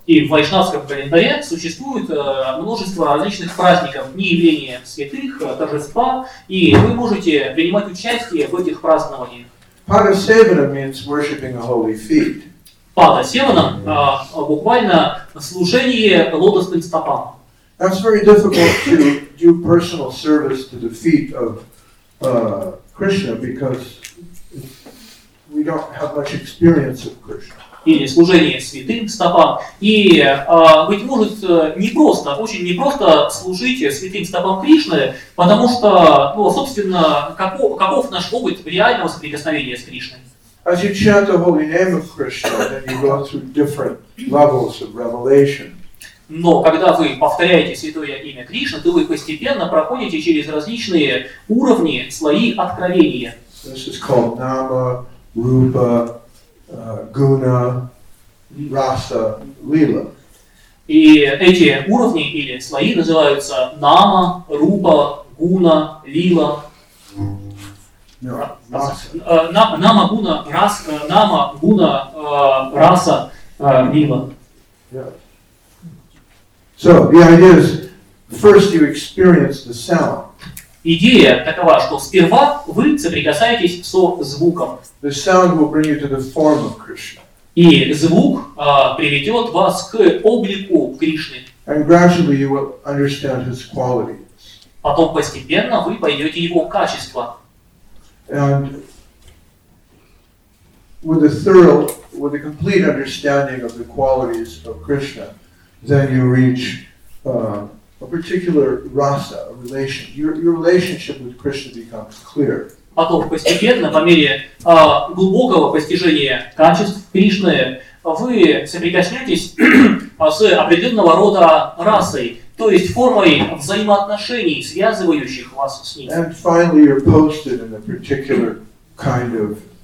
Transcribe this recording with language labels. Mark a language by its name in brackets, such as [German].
[Russian] И в вайшнавском календаре существует множество различных праздников, дни явления святых, торжества, и вы можете принимать участие в этих празднованиях. [English] Padasevana means worshipping a holy feet. [Russian] Падасевана, буквально служение лотосным стопам. [English] That's very difficult to do personal service to the feet of Krishna because we don't have much experience of Krishna. [Russian] Или служение святым стопам. И быть может непросто, очень непросто служить святым стопам Кришны, потому что, ну, собственно, каков наш опыт реального соприкосновения с Кришной? [English] As you chant the holy name of Krishna, then you go through different levels of revelation. [Russian] Но когда вы повторяете святое имя Кришны, то вы постепенно проходите через различные уровни, слои откровения. [English] This is called Nama, Rupa, Guna, Rasa, Lila. [Russian] И эти уровни или слои называются Нама, Рупа, Гуна, Лила. Нама, Гуна, Раса, Нама, Гуна, Раса, Лила. [English] So the idea is, first you experience the sound. [Russian] Идея такова, что сперва вы соприкасаетесь со звуком. [English] The sound will bring you to the form of Krishna. [Russian] И звук приведет вас к облику Кришны. [English] And gradually you will understand his qualities. [Russian] Потом постепенно вы поймете его качества. [English] And with a thorough, with a complete understanding of the qualities of Krishna, then you reach a particular rasa, a relation. Your relationship with Krishna becomes clear. [Russian] Потом постепенно, по мере глубокого постижения качеств Кришны, вы соприкоснетесь с определенного рода расой, то есть формой взаимоотношений, связывающих вас с ним. [English] And finally you're posted in a particular kind of